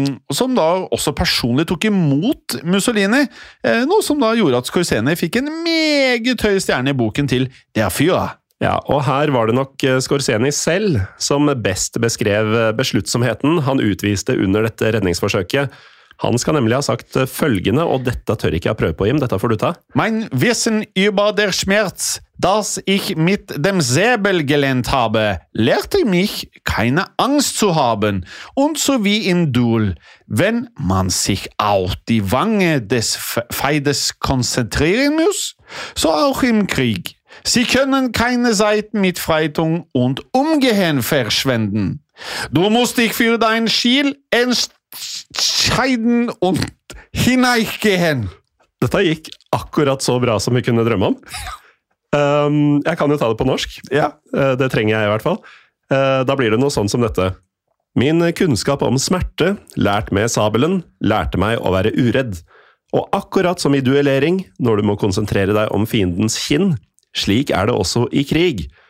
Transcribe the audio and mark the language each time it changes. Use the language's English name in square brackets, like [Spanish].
[Norwegian] Som da også personlig tok imot Mussolini, noe som da gjorde at Scorsese fikk en meget høy stjerne I boken til Der Führer. Ja, og her var det nok Scorsese selv som best beskrev besluttsomheten han utviste under dette redningsforsøket. Han skal nemlig ha sagt følgende, og dette tør ikke jeg prøve på, Jim. Dette får du ta. [German] Mein Wissen über der Schmerz, dass ich mit dem Säbel gelernt habe, lehrte mich keine Angst zu haben. Und so wie im Duell, wenn man sich auf die Wange des Feindes konzentrieren muss, so auch im Krieg. Sie können keine Zeit mit Freitung und Umgehen verschwenden. Du musst dich für dein Ziel entscheiden und hineingehen. [Norwegian] Dette gikk akkurat så bra som vi kunne drømme om. Jeg kan jo ta det på norsk. Ja. Det trenger jeg I hvert fall. Da blir det noe sånt som dette. Min kunnskap om smerte, lært med sabelen, lærte meg å være uredd. Og akkurat som I duellering, når du må konsentrere deg om fiendens kinn, Slik det også I krig.